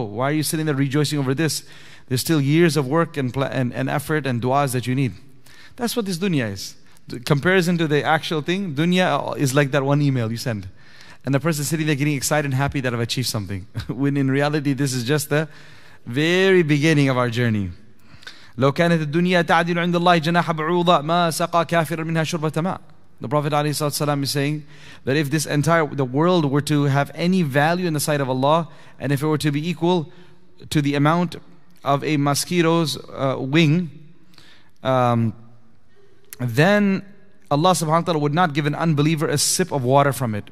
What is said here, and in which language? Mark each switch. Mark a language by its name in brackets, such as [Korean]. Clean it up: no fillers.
[English] Why are you sitting there rejoicing over this? There's still years of work and effort and du'as that you need. That's what this dunya is. The comparison to the actual thing, dunya is like that one email you send. And the person sitting there getting excited and happy that I've achieved something. When in reality, this is just the very beginning of our journey. [Arabic] لو كانت الدنيا تعدل عند الله جناح بعوضة ما سقى كافر منها شربة ماء. [English] The Prophet ﷺ is saying that if this entire the world were to have any value in the sight of Allah, and if it were to be equal to the amount of a mosquito's wing, then Allah subhanahu wa ta'ala would not give an unbeliever a sip of water from it.